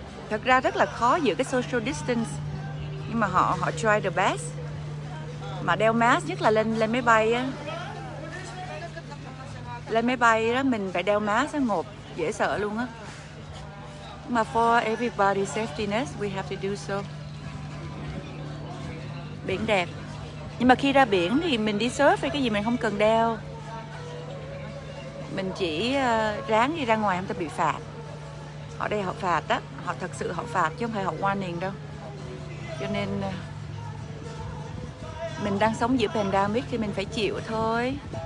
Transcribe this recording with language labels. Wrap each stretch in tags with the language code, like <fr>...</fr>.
<vi>Thật ra rất là khó giữ cái social distance nhưng mà họ</vi> <en>try the best.</en> <vi>Mà đeo mask nhất là lên máy bay á. Lên máy bay đó mình phải đeo mask á, ngộp dễ sợ luôn á.</vi> <en>Mà for everybody's safety ness we have to do so.</en> <vi>Biển đẹp. Nhưng mà khi ra biển thì mình đi surf hay cái gì mình không cần đeo. Mình chỉ ráng đi ra ngoài không ta bị phạt. Họ đây họ phạt á, họ thật sự họ phạt chứ không phải họ warning đâu. Cho nên mình đang sống giữa pandemic thì mình phải chịu thôi.</vi>